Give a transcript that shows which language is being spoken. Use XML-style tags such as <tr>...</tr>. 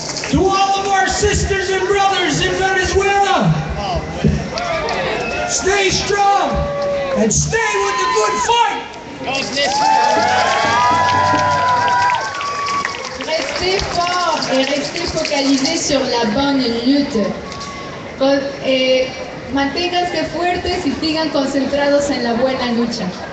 <en>To all of our sisters and brothers in Venezuela, stay strong and stay with the good fight.</en> <fr>Restez fort et restez focalisés sur la bonne lutte.</fr> <es>Manténganse fuertes y sigan concentrados en la buena lucha.</es>